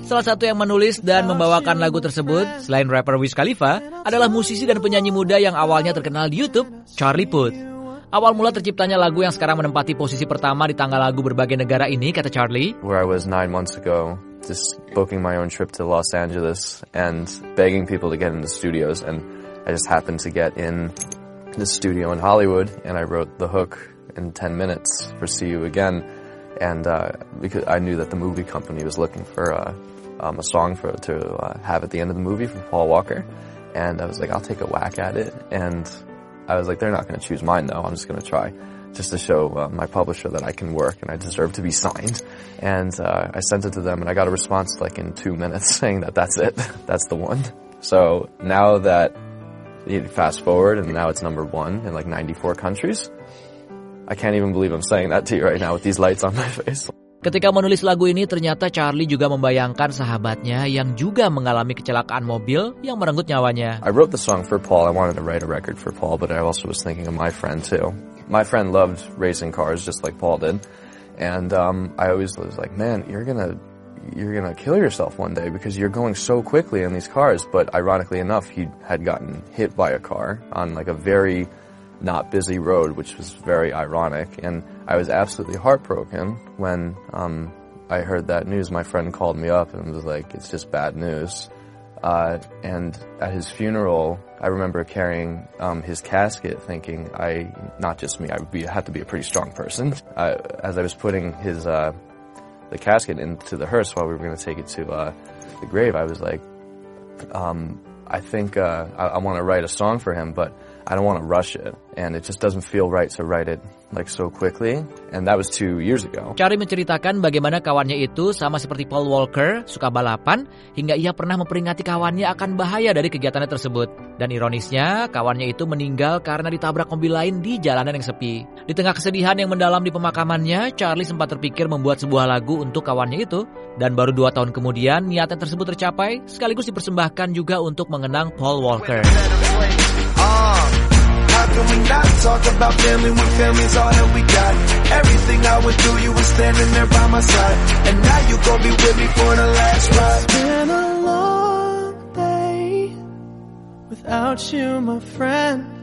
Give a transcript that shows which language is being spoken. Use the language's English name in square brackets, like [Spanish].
[Indonesian] Salah satu yang menulis dan membawakan lagu tersebut, selain rapper Wiz Khalifa, adalah musisi dan penyanyi muda yang awalnya terkenal di YouTube, Charlie Puth. Awal mula terciptanya lagu yang sekarang menempati posisi pertama di tangga lagu berbagai negara ini, kata Charlie. [English] Where I was 9 months ago, just booking my own trip to Los Angeles and begging people to get in the studios, and I just happened to get in the studio in Hollywood, and I wrote the hook in 10 minutes for See You Again, and because I knew that the movie company was looking for a song for to have at the end of the movie for Paul Walker, and I was like, I'll take a whack at it, and I was like, they're not going to choose mine, though. I'm just going to try just to show my publisher that I can work and I deserve to be signed. And I sent it to them, and I got a response like in 2 minutes saying that that's it. That's the one. So now that you fast forward and now it's number one in like 94 countries, I can't even believe I'm saying that to you right now with these lights on my face. [Indonesian] Ketika menulis lagu ini, ternyata Charlie juga membayangkan sahabatnya yang juga mengalami kecelakaan mobil yang merenggut nyawanya. [English] I wrote the song for Paul. I wanted to write a record for Paul, but I also was thinking of my friend too. My friend loved racing cars just like Paul did. And I always was like, man, you're gonna kill yourself one day because you're going so quickly in these cars. But ironically enough, he had gotten hit by a car on like a very not busy road, which was very ironic. And I was absolutely heartbroken when I heard that news. My friend called me up and was like, it's just bad news. And at his funeral, I remember carrying his casket thinking, I would have to be a pretty strong person. As I was putting the casket into the hearse while we were going to take it to the grave, I was like, I want to write a song for him, but I don't want to rush it, and it just doesn't feel right to write it like so quickly, and that was 2 years ago. [Indonesian] Charlie menceritakan bagaimana kawannya itu, sama seperti Paul Walker, suka balapan, hingga ia pernah memperingati kawannya akan bahaya dari kegiatannya tersebut. Dan ironisnya, kawannya itu meninggal karena ditabrak mobil lain di jalanan yang sepi. Di tengah kesedihan yang mendalam di pemakamannya, Charlie sempat terpikir membuat sebuah lagu untuk kawannya itu, dan baru 2 tahun kemudian, niatnya tersebut tercapai, sekaligus dipersembahkan juga untuk mengenang Paul Walker. [English] Can we not talk about family when family's all that we got? Everything I would do, you were standing there by my side. And now you gon' be with me for the last ride. It's been a long day without you, my friend.